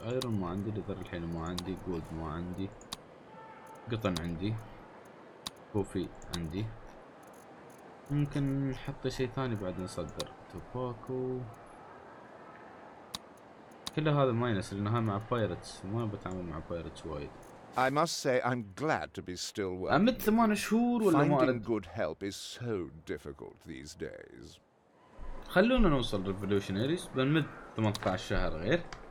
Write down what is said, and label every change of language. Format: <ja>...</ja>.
<ar>ايرون ما عندي، لذر الحين ما عندي، جولد ما عندي، قطن عندي، كوفي عندي. ممكن نحط شيء ثاني بعد نصدر توباكو. كل هذا ماينس لأنها مع بايرتس، ما بتعامل مع بايرتس وايد.</ar> <en>I must say I'm glad to be still working.</en> <ar>أمد 8 شهور ولا ما أرد.</ar> <en>Finding good help is so difficult these days.</en> <ar>خلونا نوصل ريفولوشنيريز، بنمد 18 شهر غير.</ar>